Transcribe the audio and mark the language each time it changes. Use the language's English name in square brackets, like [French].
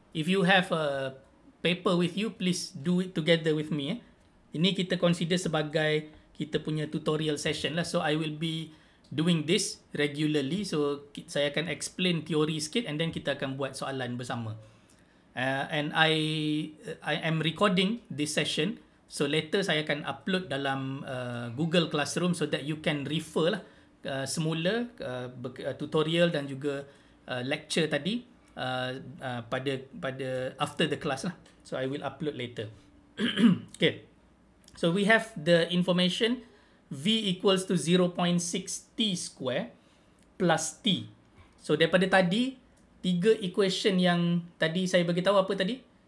[English] If you have a paper with you, please do it together with me. Eh? [Malay] Ini kita consider sebagai kita punya tutorial session lah. [English] So, I will be doing this regularly. So, [Malay] saya akan explain teori sikit [English] and then [Malay] kita akan buat soalan bersama. [English] And I am recording this session. So, later [Malay] saya akan [English] upload dalam Google Classroom so that you can refer [Malay] lah semula [English] tutorial [Malay] dan juga [English] lecture tadi pada after the class lah. So, I will upload later. Okay. So, we have the information V equals to 0.6 T square plus T. [Malay] So, daripada tadi, tiga equation yang tadi saya beritahu apa tadi?